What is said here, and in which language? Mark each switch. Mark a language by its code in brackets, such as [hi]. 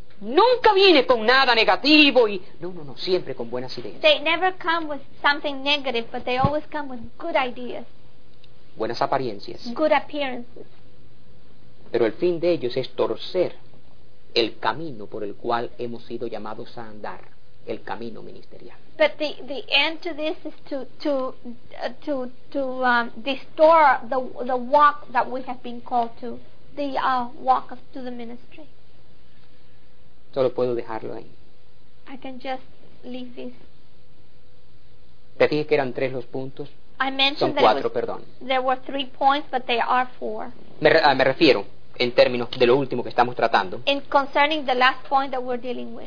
[es] Nunca viene con nada negativo y no, siempre con buenas ideas. [en] They never come with something negative, but they always come with good ideas. [es] Buenas apariencias. [en] Good appearances. [es] Pero el fin de ellos es torcer el camino por el cual hemos sido llamados a andar. El camino ministerial. [en] But the end to this is to distort the walk that we have been called to, the walk to the ministry. [es] Solo puedo dejarlo ahí. [en] I can just leave this. [es] Te dije que eran tres los puntos. [en] I mentioned [es] son cuatro, [en] that was, [es] perdón. [en] There were three points, but they are four. [es] Me refiero. En términos de lo último que estamos tratando. [en] In concerning the last point that we're dealing with.